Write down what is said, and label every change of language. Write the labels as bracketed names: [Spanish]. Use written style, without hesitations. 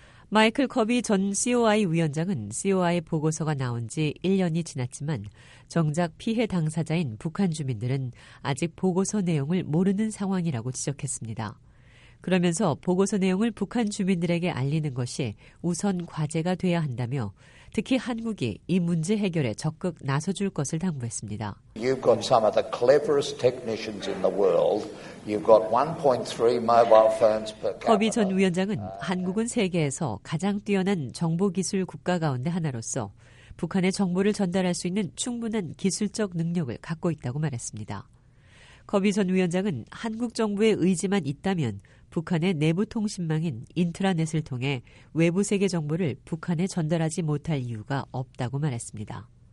[Korean] 마이클 커비 전 COI 위원장은 COI 보고서가 나온 지 1년이 지났지만 정작 피해 당사자인 북한 주민들은 아직 보고서 내용을 모르는 상황이라고 지적했습니다. 그러면서 보고서 내용을 북한 주민들에게 알리는 것이 우선 과제가 돼야 한다며 특히 한국이 이 문제 해결에 적극 나서줄 것을 당부했습니다. [English] You've got some of the cleverest technicians in the world. You've got 1.3 mobile phones per capita. [Korean] 커비 전 위원장은 한국은 세계에서 가장 뛰어난 정보 기술 국가 가운데 하나로서 북한의 정보를 전달할 수 있는 충분한 기술적 능력을 갖고 있다고 말했습니다. 커비 전 위원장은 한국 정부의 의지만 있다면 북한의 내부 통신망인 인트라넷을 통해 외부 세계 정보를 북한에 전달하지 못할 이유가 없다고 말했습니다.